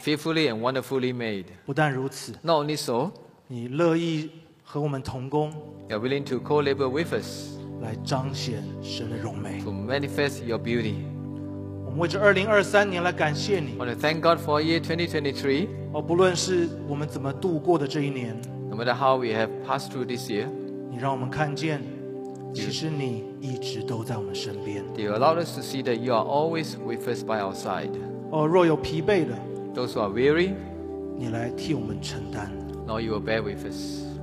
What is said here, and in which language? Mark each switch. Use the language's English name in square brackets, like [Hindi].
[English] Fearfully and wonderfully made. [Chinese] 不但如此 [English] Not only so. [Chinese] 你乐意和我们同工 [English] You're willing to co-labor with us. [Chinese] 来彰显神的荣美 [English] To manifest your beauty. [Chinese] 我们为这2023年来感谢你 [English] I want to thank God for year 2023. [Chinese] 不论是我们怎么度过的这一年 [English] No matter how we have passed through this year. [Chinese] 你让我们看见其实你一直都在我们身边。 [English] You allow us to see that you are always with us by our side. [Chinese] 若有疲惫的 [English] ，those who are weary， [Chinese] 你来替我们承担。 [English] Now you will bear with us.